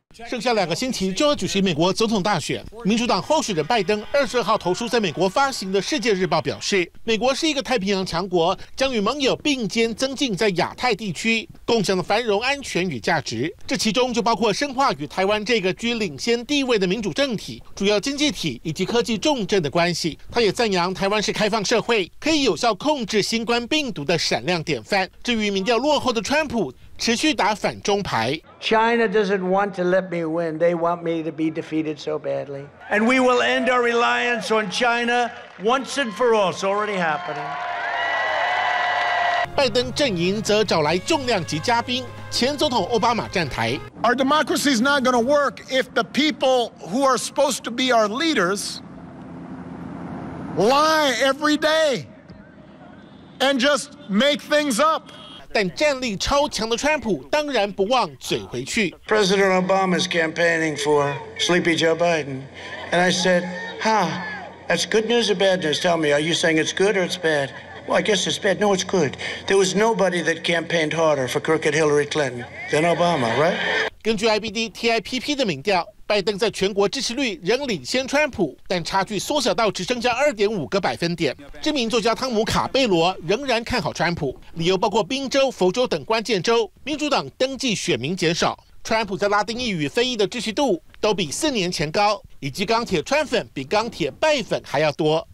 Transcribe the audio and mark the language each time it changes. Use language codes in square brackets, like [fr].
[zh] 剩下两个星期就要举行美国总统大选，民主党候选人拜登22号投书在美国发行的《世界日报》表示，美国是一个太平洋强国，将与盟友并肩增进在亚太地区共享的繁荣、安全与价值，这其中就包括深化与台湾这个居领先地位的民主政体、主要经济体以及科技重镇的关系。他也赞扬台湾是开放社会，可以有效控制新冠病毒的闪亮典范。至于民调落后的川普，持续打反中牌。 [en] China doesn't want to let me win. They want me to be defeated so badly. And we will end our reliance on China once and for all. It's already happening. [zh] 拜登阵营则找来重量级嘉宾前总统奥巴马站台。 [en] Our democracy is not going to work if the people who are supposed to be our leaders lie every day and just make things up. [zh] 但战力超强的川普当然不忘嘴回去。 [en] President Obama is campaigning for Sleepy Joe Biden, and I said, "Ha, that's good news or bad news? Tell me, are you saying it's good or it's bad? Well, I guess it's bad. No, it's good. There was nobody that campaigned harder for crooked Hillary Clinton than Obama, right?" [zh] 根据 IBD TIPP 的民调，拜登在全国支持率仍领先川普，但差距缩小到只剩下2.5个百分点。知名作家汤姆·卡贝罗仍然看好川普，理由包括宾州、佛州等关键州民主党登记选民减少，川普在拉丁裔与非裔的支持度都比4年前高，以及钢铁川粉比钢铁拜粉还要多。